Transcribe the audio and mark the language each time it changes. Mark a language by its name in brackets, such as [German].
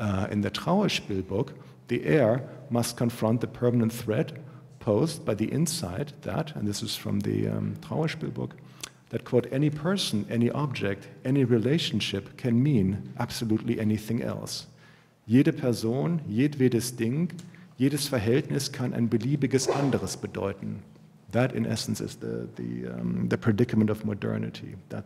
[English] in the Trauerspiel book, the heir must confront the permanent threat posed by the insight that, and this is from the Trauerspiel book, that, quote, any person, any object, any relationship can mean absolutely anything else. [German] Jede Person, jedwedes Ding, jedes Verhältnis kann ein beliebiges anderes bedeuten. [English] That, in essence, is the predicament of modernity.